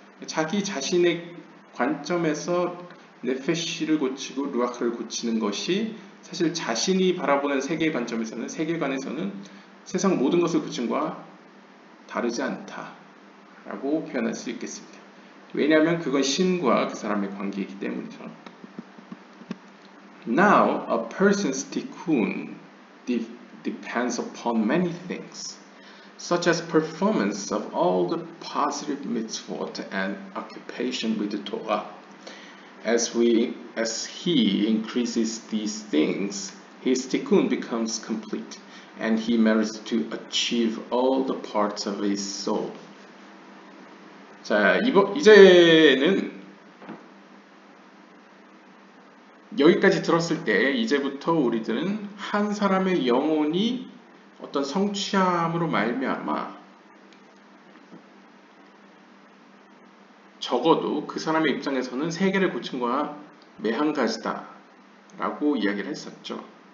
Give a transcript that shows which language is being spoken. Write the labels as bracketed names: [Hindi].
[Korean] 자기 자신의 관점에서 네페시를 고치고 루아크를 고치는 것이 사실 자신이 바라보는 세계의 관점에서는 세계관에서는 세상 모든 것을 고친 것과 다르지 않다라고 표현할 수 있겠습니다. 왜냐하면 그건 신과 그 사람의 관계이기 때문이죠. [English] Now, a person's tikkun depends upon many things, such as performance of all the positive mitzvot and occupation with the Torah. As he increases these things, his tikkun becomes complete, and he merits to achieve all the parts of his soul. [Korean] 자, 이제는 여기까지 들었을 때 이제부터 우리들은 한 사람의 영혼이 어떤 성취함으로 말미암아 적어도 그 사람의 입장에서는 세계를 고친 거야 매한가지다 라고 이야기를 했었죠.